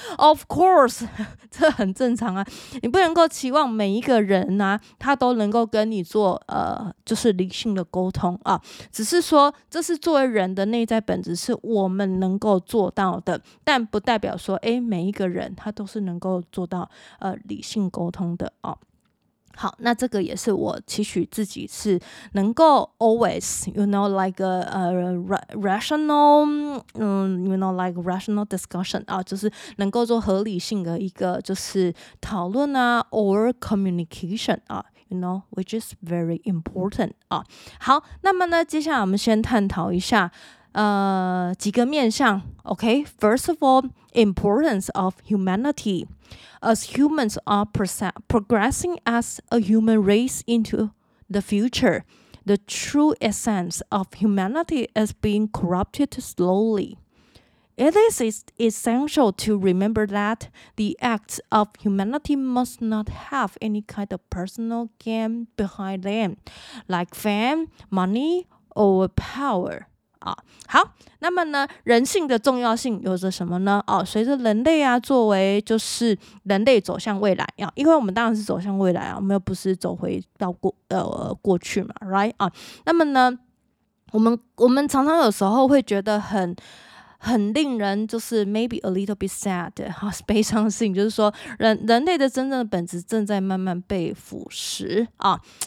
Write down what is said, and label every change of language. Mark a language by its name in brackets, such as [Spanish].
[Chinese] Of course， 这很正常啊。你不能够期望每一个人啊，他都能够跟你做就是理性的沟通啊。只是说，这是作为人的内在本质，是我们能够做到的，但不代表说，哎，每一个人他都是能够做到理性沟通的啊。好，那这个也是我期许自己是能够 [English] always you know like a rational you know like rational discussion [Chinese] 啊，就是能够做合理性的一个就是讨论啊 [English] or communication [Chinese] 啊 [English] you know which is very important [Chinese] 啊。好，那么呢，接下来我们先探讨一下几个面向。 [English] OK， first of all， importance of humanityAs humans are progressing as a human race into the future, the true essence of humanity is being corrupted slowly. It is essential to remember that the acts of humanity must not have any kind of personal gain behind them, like fame, money, or power. [Chinese] 好，那么呢，人性的重要性有着什么呢？哦，随着人类啊，作为就是人类走向未来啊，因为我们当然是走向未来啊，我们又不是走回到过去嘛 ，right 啊？那么呢，我们常常有时候会觉得很令人就是 [English] maybe a little bit sad [Chinese] 哈，悲伤的事情就是说人类的真正的本质正在慢慢被腐蚀啊。